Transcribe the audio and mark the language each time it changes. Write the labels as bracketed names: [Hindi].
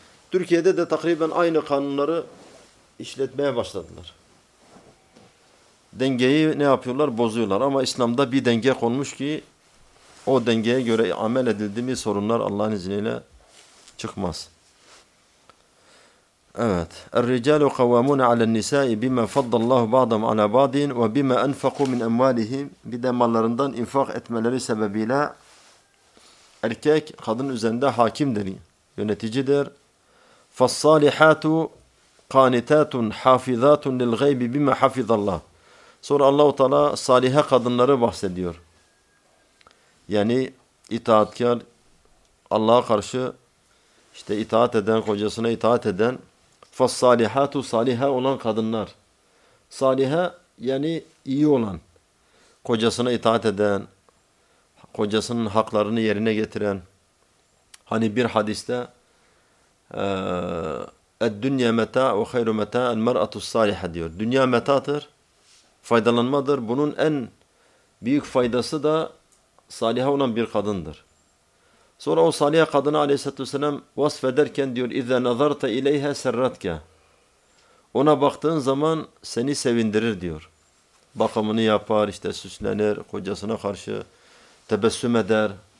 [Turkish] Türkiye'de de takriben aynı kanunları işletmeye başladılar. Dengeyi ne yapıyorlar? Bozuyorlar. Ama İslam'da bir denge konmuş ki o dengeye göre amel edildi mi sorunlar Allah'ın izniyle çıkmaz. Evet. [Arabic] الرجال قوامون على النساء بما فضل الله بعضهم على بعض وبما أنفقوا من أموالهم [Turkish] bir de mallarından infak etmeleri sebebiyle erkek kadın üzerinde hakimdir, yöneticidir. [Arabic] فالصالحات قانتات حافظات للغيب بما حفظ الله. [Turkish] Sonra Allah-u Teala salihe kadınları bahsediyor. Yani itaatkar, Allah'a karşı işte itaat eden, kocasına itaat eden. [Arabic] فَالصَّالِحَاتُ [Turkish] صَالِحَا olan kadınlar. Salihe yani iyi olan, kocasına itaat eden, kocasının haklarını yerine getiren. Hani bir hadiste [Arabic] اَدْدُّنْيَا مَتَا وَخَيْرُ مَتَا الْمَرْأَةُ الصَّالِحَةِ diyor. [Turkish] Dünya metadır, faydalanmadır. Bunun en büyük faydası da salihe olan bir kadındır. Sonra o salih kadını aleyhissalatü vesselam vasfederken diyor [Arabic] اِذَا نَظَرْتَ اِلَيْهَا سَرَّتْكَ. [Turkish] Ona baktığın zaman seni sevindirir diyor. Bakımını yapar, işte süslenir, kocasına karşı tebessüm eder.